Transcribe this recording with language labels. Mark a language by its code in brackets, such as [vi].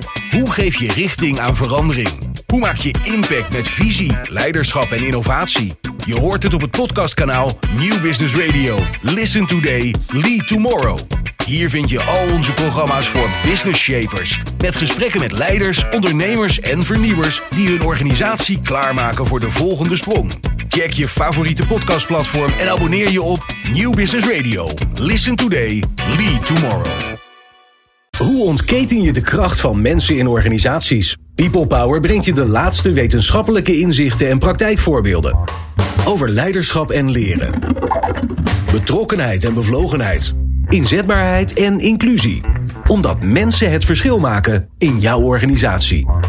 [nl] Hoe geef je richting aan verandering? Hoe maak je impact met visie, leiderschap en innovatie? Je hoort het op het podcastkanaal New Business Radio. [en] Listen today, lead tomorrow. [nl] Hier vind je al onze programma's voor business shapers. Met gesprekken met leiders, ondernemers en vernieuwers die hun organisatie klaarmaken voor de volgende sprong. Check je favoriete podcastplatform en abonneer je op New Business Radio. [en] Listen today, lead tomorrow. [nl] Hoe ontketen je de kracht van mensen in organisaties? PeoplePower brengt je de laatste wetenschappelijke inzichten en praktijkvoorbeelden. Over leiderschap en leren. Betrokkenheid en bevlogenheid. Inzetbaarheid en inclusie. Omdat mensen het verschil maken in jouw organisatie.